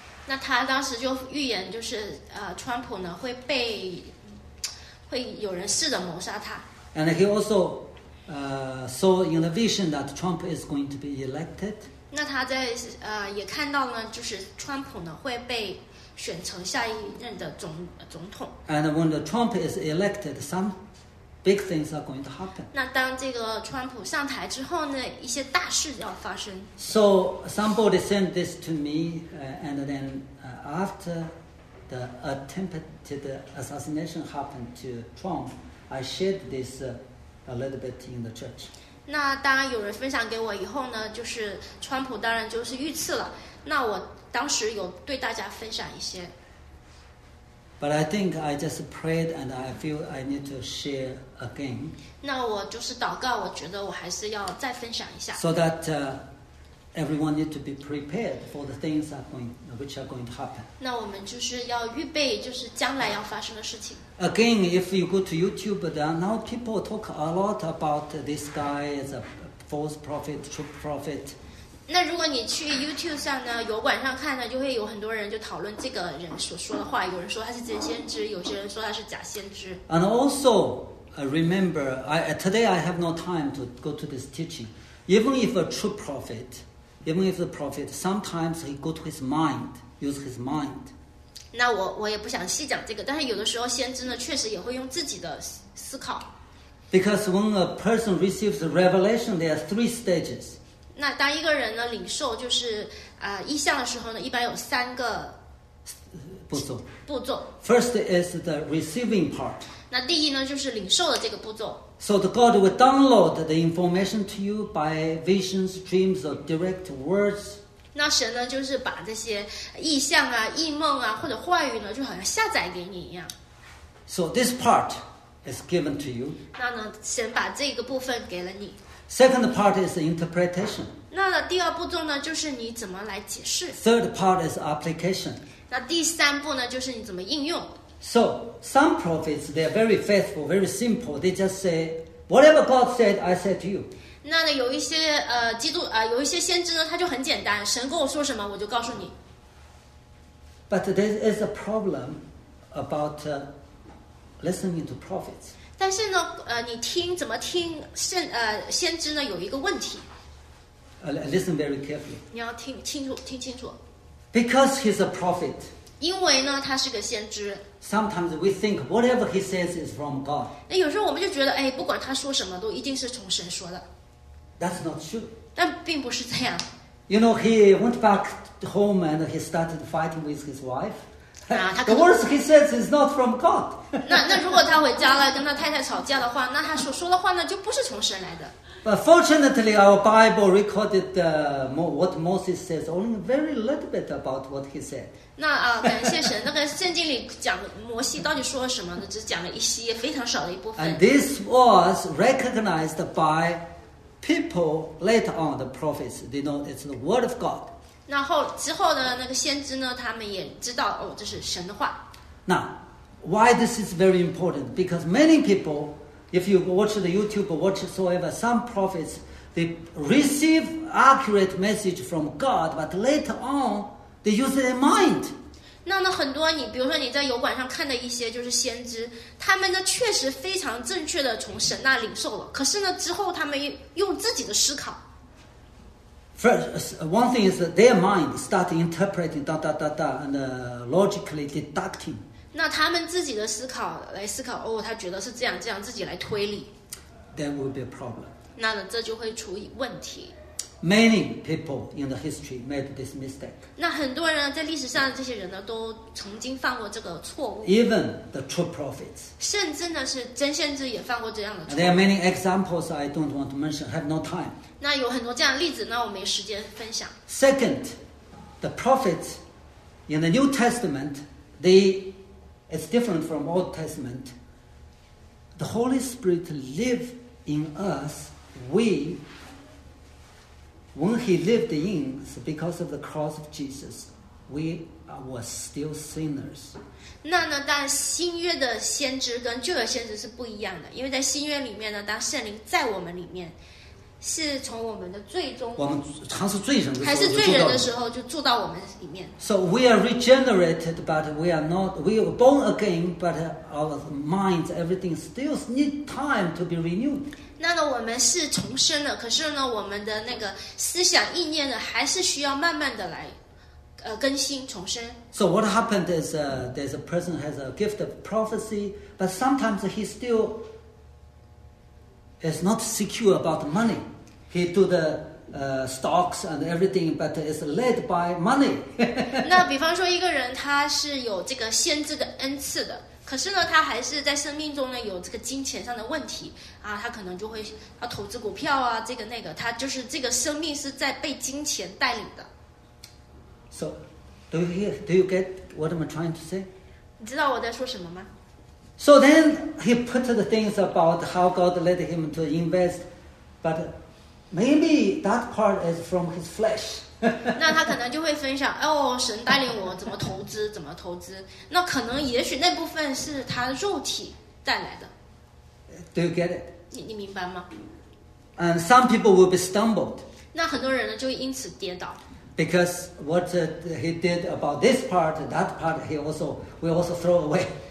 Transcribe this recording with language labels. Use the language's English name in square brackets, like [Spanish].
[Chinese] 那他当时就预言，就是川普呢会有人试着谋杀他。 [English] And he also saw in the vision that Trump is going to be elected. [Chinese] 那他在也看到呢，就是川普呢会被选成下一任的总统。 [English] And when the Trump is elected, some big things are going to happen. [Chinese] 那当这个川普上台之后呢，一些大事要发生。 [English] So somebody sent this to me, and then after the attempted assassination happened to Trump, I shared this a little bit in the church. [Chinese] 那当有人分享给我以后呢，就是川普当然就是遇刺了。那我当时有对大家分享一些。 [English] But I think I just prayed and I feel I need to share again. [Chinese] 那我就是祷告，我觉得我还是要再分享一下。 [English] So that everyone need to be prepared for the things are going, which are going to happen. [Chinese] 那我们就是要预备，就是将来要发生的事情。 [English] Again, if you go to YouTube, now people talk a lot about this guy as a false prophet, true prophet. [Chinese] 那如果你去 YouTube 上呢，油管上看呢，就会有很多人就讨论这个人所说的话。有人说他是真先知，有些人说他是假先知。 [English] And also, remember, today I have no time to go to this teaching. Even if a true prophet, even if the prophet, sometimes he go to his mind, use his mind. [Chinese] 那我也不想细讲这个，但是有的时候先知呢，确实也会用自己的思考。 [English] Because when a person receives a revelation, there are three stages. [Chinese] 那当一个人呢领受就是异象的时候呢，一般有三个步骤。 [English] First is the receiving part. [Chinese] 那第一呢就是领受的这个步骤。 [English] So the God will download the information to you by visions, dreams, or direct words. [Chinese] 那神呢就是把这些异象啊、异梦啊或者话语呢，就好像下载给你一样。 [English] So this part is given to you. [Chinese] 那呢，神把这个部分给了你。 [English] Second part is the interpretation. [Chinese] 那第二步骤呢，就是你怎么来解释。 [English] Third part is application. [Chinese] 那第三步呢，就是你怎么应用。 [English] So some prophets they are very faithful, very simple. They just say whatever God said, I said to you. [Chinese] 那有一些有一些先知呢，他就很简单，神跟我说什么，我就告诉你。 [English] But there is a problem about listening to prophets. [Chinese] 但是呢，你听怎么听先知呢？有一个问题。 [English] Listen very carefully. [Chinese] 你要听清楚，听清楚。 [English] Because he's a prophet. [Chinese] 因为呢，他是个先知。 [English] Sometimes we think whatever he says is from God. [Chinese] 那有时候我们就觉得，哎，不管他说什么，都一定是从神说的。 [English] That's not true. [Chinese] 但并不是这样。 [English] You know, he went back home and he started fighting with his wife. 啊、 The words he says is not from God. [Chinese] 那如果他回家了，跟他太太吵架的话，那他说的话呢，就不是从神来的。 [English] But fortunately, our Bible recorded what Moses says only very little bit about what he said. [Chinese] 那感谢神，那个圣经里讲摩西到底说了什么呢？只讲了一些非常少的一部分。 [English] And this was recognized by people later on. The prophets, they know it's the word of God. [Chinese] 那后之后的那个先知呢，他们也知道哦，这是神的话。 [English] Now, why this is very important? Because many people, if you watch the YouTube or whatsoever, some prophets they receive accurate message from God, but later on they use their mind. [Chinese] 那很多你比如说你在油管上看的一些就是先知，他们呢确实非常正确的从神那领受了，可是呢之后他们用自己的思考。 [English] First, one thing is that their mind start interpreting da da da da and logically deducting. [Chinese] 那他们自己的思考来思考，哦，他觉得是这样这样，自己来推理。 [English] There will be a problem. [Chinese] 那呢，这就会出问题。 [English] Many people in the history made this mistake. [Chinese] 那很多人在历史上这些人呢，都曾经犯过这个错误。 [English] Even the true prophets. [Chinese] 甚至呢，是真先知也犯过这样的错误。 [English] There are many examples I don't want to mention. Have no time. [Chinese] 那有很多这样的例子，那我没时间分享。 [English] Second, the prophets in the New Testament, it's different from Old Testament. The Holy Spirit live in us. When he lived in us because of the cross of Jesus, we were still sinners. [Chinese] 那呢，但新约的先知跟旧约先知是不一样的，因为在新约里面呢，当圣灵在我们里面。是从我们的罪中，我们常是罪人的时候，还是罪人的时候就住到我们里面。 [English] So we are regenerated, but we are not. We are born again, but our minds, everything still need time to be renewed. [Chinese] 那个我们是重生了，可是呢我们的那个思想意念呢还是需要慢慢的来更新重生。 [English] So what happened is there's a person has a gift of prophecy, but sometimes he still is not secure about money. He do the stocks and everything, but is led by money. [Chinese] 那比方说一个人他是有这个先知的恩赐的，可是呢他还是在生命中呢有这个金钱上的问题啊，他可能就会他投资股票啊，这个那个，他就是这个生命是在被金钱带领的。 [English] So, do you hear? Do you get what I'm trying to say? [Chinese] 你知道我在说什么吗？ [English] So then he put the things about how God led him to invest, but maybe that part is from his flesh. [Chinese] 那他可能就会分享，哦，神带领我怎么投资，怎么投资。那可能也许那部分是他肉体带来的。 [English] Do you get it? [Chinese] 你明白吗？ [English] And some people will be stumbled. [Chinese] 那很多人呢就会因此跌倒。 [English] Because what he did about this part, that part he also will also throw away.